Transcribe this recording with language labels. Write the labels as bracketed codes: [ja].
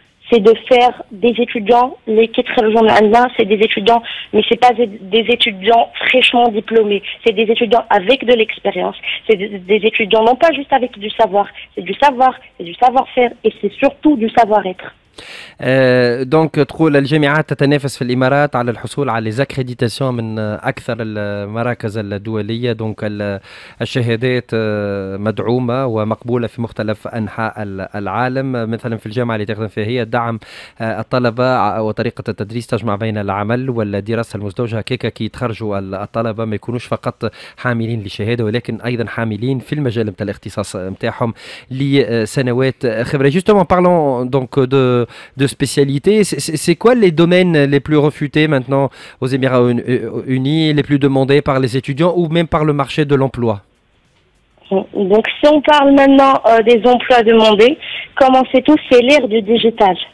[fr] C'est de faire des étudiants, les quatre jours, c'est des étudiants, mais ce n'est pas des étudiants fraîchement diplômés. C'est des étudiants avec de l'expérience. C'est des étudiants, non pas juste avec du savoir. C'est du savoir, c'est du savoir-faire et c'est surtout du savoir-être. [ar] دونك تقول الجامعات تتنافس في الإمارات على الحصول على زكريديتاسيون من أكثر المراكز الدولية، دونك الشهادات مدعومة ومقبولة في مختلف أنحاء العالم. مثلا في الجامعة اللي تخدم فيها هي دعم الطلبة وطريقة التدريس تجمع بين العمل والدراسة المزدوجة، كيكا كي تخرجوا الطلبة ما يكونوش فقط حاملين لشهادة ولكن أيضا حاملين في المجال متاع الاختصاص متاعهم لسنوات خبرة. [fr] justement parlons donc de spécialité, c'est quoi les domaines les plus refutés maintenant aux Émirats Unis, les plus demandés par les étudiants ou même par le marché de l'emploi? Donc si on parle maintenant des emplois demandés, comme on sait tous, c'est l'ère du digital.